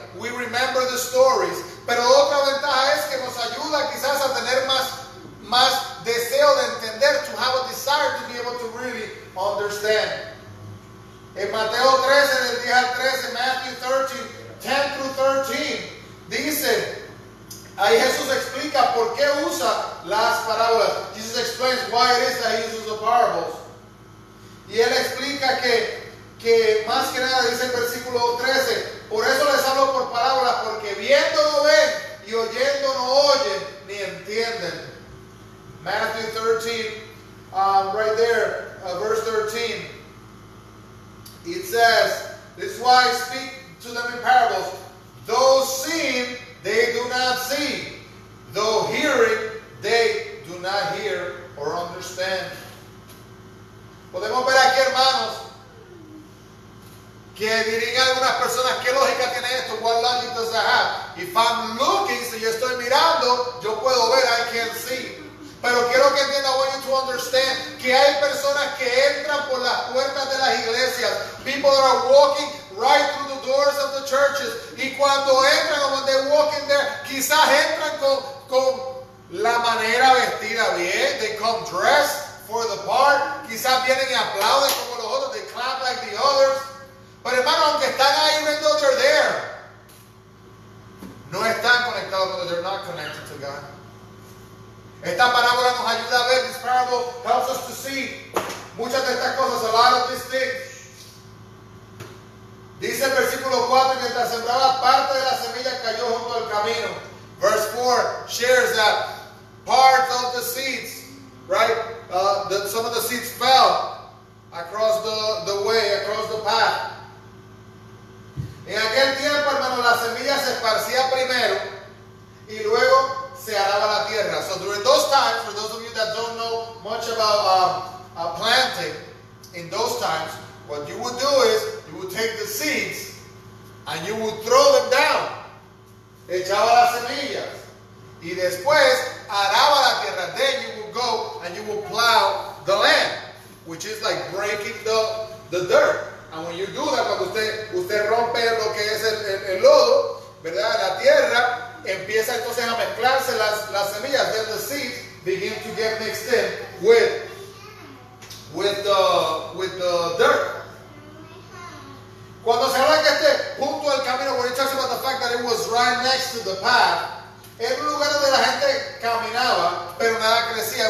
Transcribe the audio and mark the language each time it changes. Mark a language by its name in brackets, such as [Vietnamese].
[English] We remember the stories. [Spanish] Pero otra ventaja es que nos ayuda quizás a tener más deseo de entender, [English] to have a desire to be able to really understand. [Spanish] En Mateo 13, del 10 al 13, [English] Matthew 13, 10 through 13, [Spanish] dice, ahí Jesús explica por qué usa las parábolas. [English] Jesus explains why it is that he uses the parables. [Spanish] Y él explica que más que nada, dice el versículo 13, por eso les hablo por parábolas, porque viendo no ven, y oyendo no oyen, ni entienden. [English] Matthew 13, right there, verse 13. It says, this is why I speak to them in parables. Those seeing, they do not see. Though hearing, they do not hear or understand. [Spanish] Podemos ver aquí, hermanos, que dirían algunas personas, ¿qué lógica tiene esto? [English] What logic does that have? If I'm looking, [Spanish] si yo estoy mirando, yo puedo ver, [English] I can't see. [Spanish] Pero quiero que entiendan, [English] I want you to understand, [Spanish] que hay personas que entran por las puertas de las iglesias. [English] People that are walking right through the doors of the churches. [Spanish] Y cuando entran, [English] when they walk in there, [Spanish] quizás entran con la manera vestida bien. They come dressed for the part. Quizás vienen y aplauden como los otros. [English] They clap like the others. [Spanish] Pero hermano, aunque están ahí, [English] even though they're there, [Spanish] no están conectados, [English] because they're not connected to God. [Spanish] Esta parábola nos ayuda a ver. [English] This parable helps us to see [Spanish] muchas de estas cosas, [English] a lot of these things. [Spanish] Dice el versículo 4, mientras sembraba, parte de la semilla cayó junto al camino. [English] Verse 4 shares that part of the seeds, right? Some of the seeds fell across the way, across the path. [Spanish] En aquel tiempo, hermano, la semilla se esparcía primero y luego se araba la tierra. [English] So during those times, for those of you that don't know much about planting, in those times, what you would do is you would take the seeds and you would throw them down. [Spanish] Echaba las semillas. Y después araba la tierra. [English] Then you would go and you would plow the land, which is like breaking the dirt. And when you do that, [Spanish] cuando usted rompe lo que es el lodo, ¿verdad? La tierra empieza entonces a mezclarse las semillas. [English] Then the seeds begin to get mixed in with the dirt. [Spanish] Cuando se habla que esté junto al camino, [English] when it talks about the fact that it was right next to the path, [Spanish] era un lugar donde la gente caminaba, pero nada crecía.